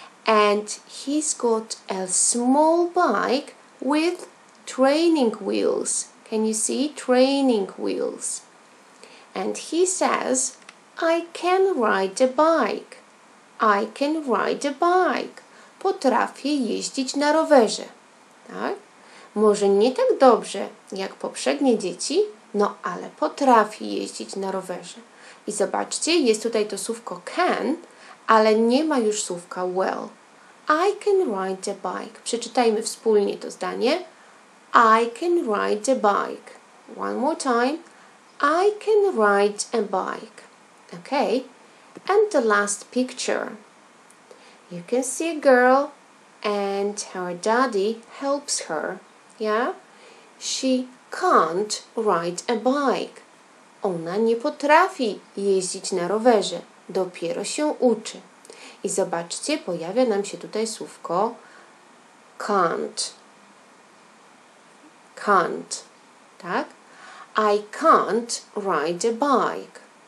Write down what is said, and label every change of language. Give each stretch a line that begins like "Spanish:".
English: And he's got a small bike with training wheels. Can you see? Training wheels. And he says, I can ride a bike. I can ride a bike.
Polish: Potrafię jeździć na rowerze. Tak? Może nie tak dobrze jak poprzednie dzieci, no ale potrafi jeździć na rowerze. I zobaczcie, jest tutaj to słówko can, ale nie ma już słówka well.
English: I can ride a bike.
Polish: Przeczytajmy wspólnie to zdanie.
English: I can ride a bike. One more time. I can ride a bike. Okay. And the last picture. You can see a girl and her daddy helps her. Yeah? She can't ride a bike.
Polish: Ona nie potrafi jeździć na rowerze. Dopiero się uczy. I zobaczcie, pojawia nam się tutaj słówko can't.
English: Can't.
Polish: Tak?
English: I can't ride a bike.